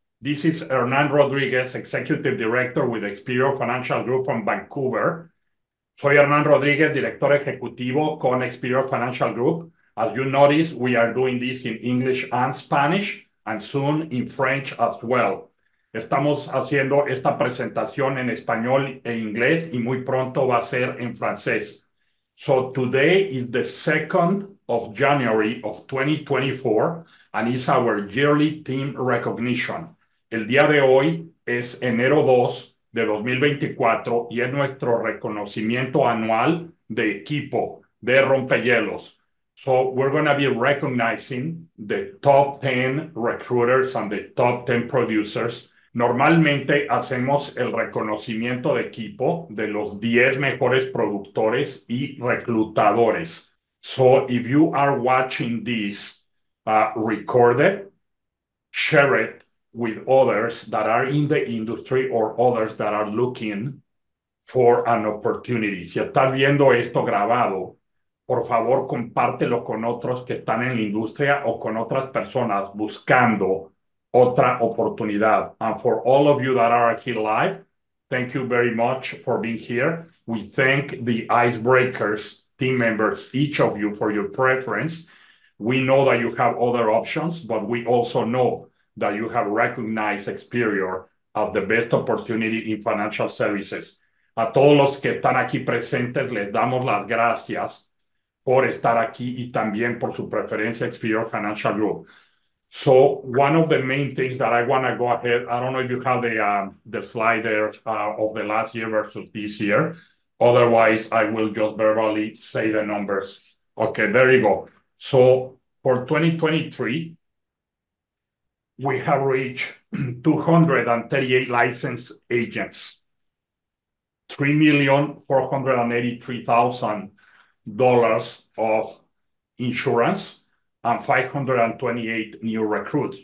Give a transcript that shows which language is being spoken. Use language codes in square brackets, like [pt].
[en] This is Hernan Rodriguez, Executive Director with Experior Financial Group from Vancouver. [es] Soy Hernan Rodriguez, Director Ejecutivo con Experior Financial Group. [en] As you notice, we are doing this in English and Spanish, and soon in French as well. [es] Estamos haciendo esta presentación en español e inglés, y muy pronto va a ser en francés. [en] So today is the 2nd of January of 2024, and it's our yearly team recognition. [es] El día de hoy es enero 2 de 2024, y es nuestro reconocimiento anual de equipo de rompehielos. [en] So we're going to be recognizing the top 10 recruiters and the top 10 producers. [es] Normalmente hacemos el reconocimiento de equipo de los 10 mejores productores y reclutadores. [en] So if you are watching this, record it, share it with others that are in the industry or others that are looking for an opportunity. [es] Si estás viendo esto grabado, por favor, compártelo con otros que están en la industria o con otras personas buscando otra oportunidad. [en] And for all of you that are here live, thank you very much for being here. We thank the Icebreakers team members, each of you, for your preference. We know that you have other options, but we also know that you have recognized Experior as the best opportunity in financial services. [es] A todos los que están aquí presentes, les damos las gracias por estar aquí y también por su preferencia Experior Financial Group. [en] So one of the main things that I want to go ahead, I don't know if you have the slide there of the last year versus this year. Otherwise, I will just verbally say the numbers. Okay, there you go. So for 2023, we have reached 238 licensed agents, 3,483,000 dollars of insurance, and 528 new recruits.